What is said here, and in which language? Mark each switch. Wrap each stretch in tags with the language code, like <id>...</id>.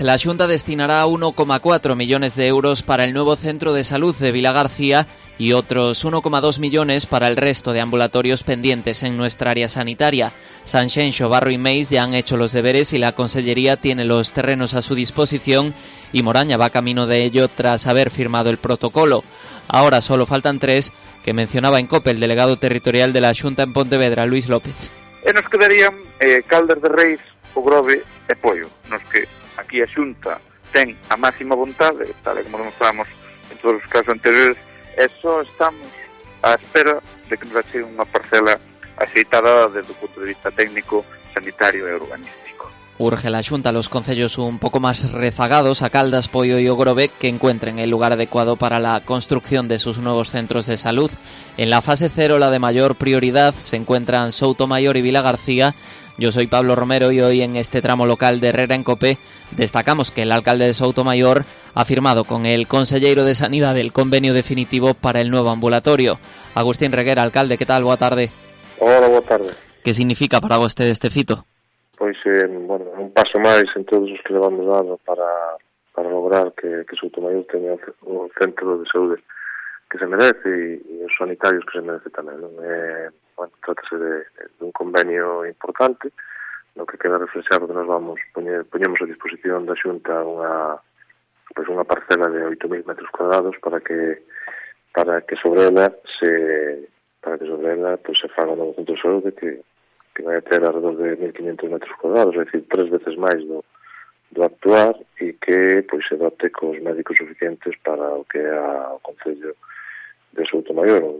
<es>La Xunta destinará 1,4 millones de euros para el nuevo centro de salud de Vilagarcía y otros 1,2 millones para el resto de ambulatorios pendientes en nuestra área sanitaria. Sanxenxo, Barro y Meis ya han hecho los deberes y la Consellería tiene los terrenos a su disposición y Moraña va camino de ello tras haber firmado el protocolo. Ahora solo faltan tres, que mencionaba en COPE el delegado territorial de la Xunta en Pontevedra, Luis López.</es> <gl>Nos quedarían Caldas de Reis, Ogrove e Poio, nos que aquí a Xunta ten a máxima vontade, tal como demostramos en todos os casos anteriores, e só estamos á espera de que nos achegue unha parcela axeitada desde o punto de vista técnico, sanitario e urbanístico.</gl> <es>Urge la Xunta a los concellos</es> <gl>un pouco máis rezagados,</gl> <es>a Caldas, Poio e Ogrove, que encuentren el lugar adecuado para la construcción de sus nuevos centros de salud. En la fase cero, la de mayor prioridad, se encuentran Soutomaior y Vilagarcía. Yo soy Pablo Romero y hoy en este tramo local de Herrera en COPE destacamos que el alcalde de Soutomaior ha firmado con el consellero de Sanidad el convenio definitivo para el nuevo ambulatorio. Agustín Reguera, alcalde, ¿qué tal?</es> <gl>Boa tarde. Hola, boa tarde. ¿Qué significa para vos este fito?</gl> <es>Pues, un paso más en todos los que le vamos dando para lograr que Soutomaior tenga un centro de salud que se merece y los sanitarios que se merece también, ¿no?</es> <gl>Trátase de un convenio importante, no que queda reflexado que nos vamos poñemos a disposición da Xunta unha parcela de 8.000 metros cuadrados para que sobre ela se faga un novo centro de saúde que vai a ter alrededor de 1.500 metros cuadrados, é dicir, tres veces máis do actuar e que pois se dote cos médicos suficientes para o que é o Concello de Soutomaior.</gl>